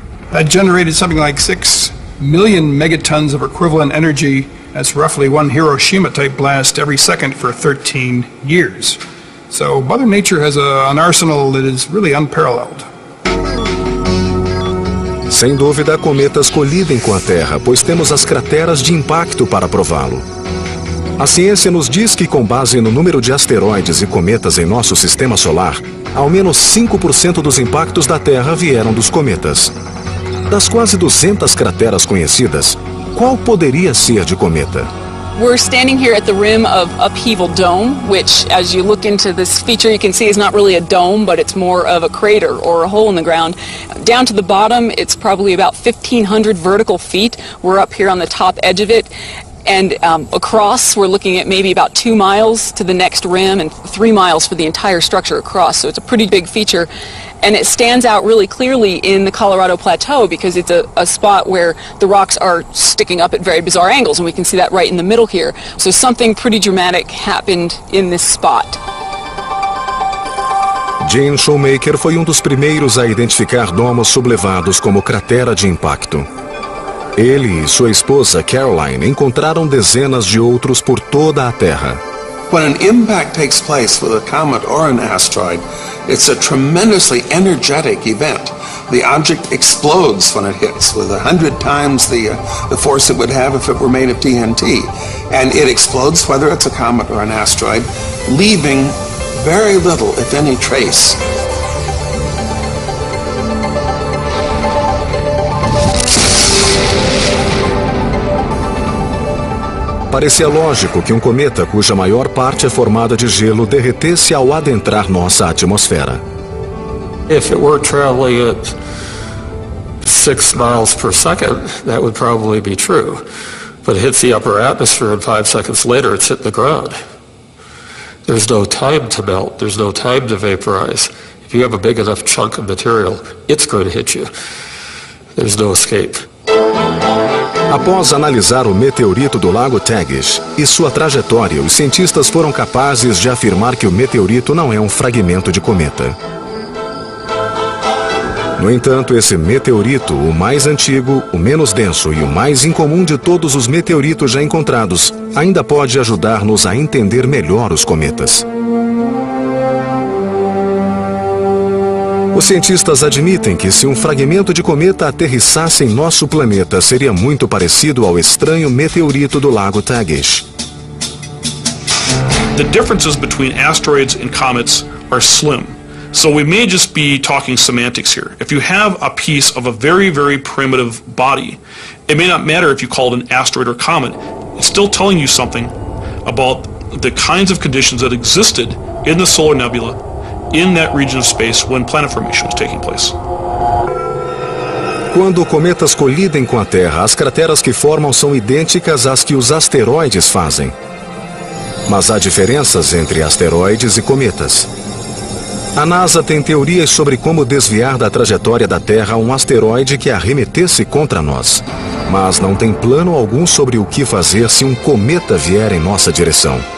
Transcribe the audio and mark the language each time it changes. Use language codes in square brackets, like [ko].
[en] That generated something like 6 million megatons of equivalent energy. That's roughly one Hiroshima-type blast every second for 13 years. So Mother Nature has an arsenal that is really unparalleled. [pt] Sem dúvida, cometas colidem com a Terra, pois temos as crateras de impacto para prová-lo. A ciência nos diz que, com base no número de asteroides e cometas em nosso sistema solar, ao menos 5% dos impactos da Terra vieram dos cometas. Das quase 200 crateras conhecidas, qual poderia ser de cometa? [en] We're standing here at the rim of Upheaval Dome, which, as you look into this feature, you can see is not really a dome, but it's more of a crater or a hole in the ground. Down to the bottom, it's probably about 1,500 vertical feet. We're up here on the top edge of it. And across, we're looking at maybe about 2 miles to the next rim and 3 miles for the entire structure across. So it's a pretty big feature. And it stands out really clearly in the Colorado Plateau because it's a spot where the rocks are sticking up at very bizarre angles. And we can see that right in the middle here. So something pretty dramatic happened in this spot. [pt] Gene Shoemaker foi dos primeiros a identificar domos sublevados como cratera de impacto. Ele e sua esposa, Caroline, encontraram dezenas de outros por toda a Terra. [en] When an impact takes place with a comet or an asteroid, it's a tremendously energetic event. The object explodes when it hits with 100 times the force it would have if it were made of TNT. And it explodes whether it's a comet or an asteroid, leaving very little, if any, trace. [pt] Parecia lógico que cometa cuja maior parte é formada de gelo derretesse ao adentrar nossa atmosfera. [en] If it were traveling at 6 miles per second, that would probably be true. But it hits the upper atmosphere and 5 seconds later it's hit the ground. There's no time to melt, there's no time to vaporize. If you have a big enough chunk of material, it's going to hit you. There's no escape. [pt] Após analisar o meteorito do Lago Tagish e sua trajetória, os cientistas foram capazes de afirmar que o meteorito não é um fragmento de cometa. No entanto, esse meteorito, o mais antigo, o menos denso e o mais incomum de todos os meteoritos já encontrados, ainda pode ajudar-nos a entender melhor os cometas. Os cientistas admitem que se um fragmento de cometa aterrissasse em nosso planeta, seria muito parecido ao estranho meteorito do Lago Tagish. [en] The differences between asteroids and comets are slim. So we may just be talking semantics here. If you have a piece of a very, very primitive body, it may not matter if you call it an asteroid or comet. It's still telling you something about the kinds of conditions that existed in the solar nebula in that region of space when planet formation was taking place. [pt] Quando cometas colidem com a Terra, as crateras que formam são idênticas às que os asteroides fazem. Mas há diferenças entre asteroides e cometas. A NASA tem teorias sobre como desviar da trajetória da Terra um asteroide que arremetesse contra nós, mas não tem plano algum sobre o que fazer se um cometa vier em nossa direção.